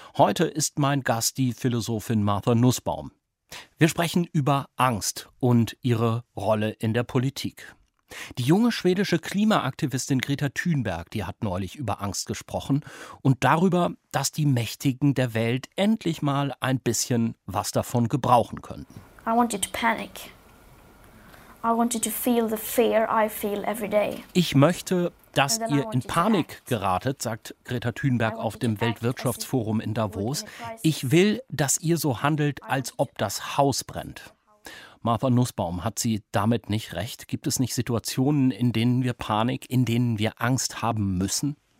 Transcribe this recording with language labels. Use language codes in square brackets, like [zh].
[de] Heute ist mein Gast die Philosophin Martha Nussbaum. Wir sprechen über Angst und ihre Rolle in der Politik. Die junge schwedische Klimaaktivistin Greta Thunberg, die hat neulich über Angst gesprochen und darüber, dass die Mächtigen der Welt endlich mal ein bisschen was davon gebrauchen könnten. [en] I wanted to panic. I wanted to feel the fear I feel every day. [de] Ich möchte, dass ihr in Panik geratet, sagt Greta Thunberg auf dem Weltwirtschaftsforum in Davos. Ich will, dass ihr so handelt, als ob das Haus brennt. Martha Nussbaum, hat sie damit nicht recht? Gibt es nicht Situationen, in denen wir Panik, in denen wir Angst haben müssen?